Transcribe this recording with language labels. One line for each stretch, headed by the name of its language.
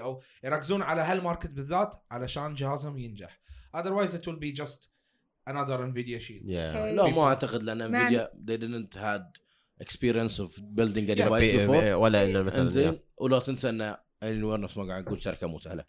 Arabic: أو يركزون على هالماركت بالذات علشان جهازهم ينجح.
English: Otherwise, it will be just. Another Nvidia Shield. Yeah. Hey. No, people. I don't think that Nvidia they didn't had experience of building a device before.
Arabic: ولا إن مثلاً. ولا تنسى إن Alienware نفس ما قاعد نقول شركة مو سهلة.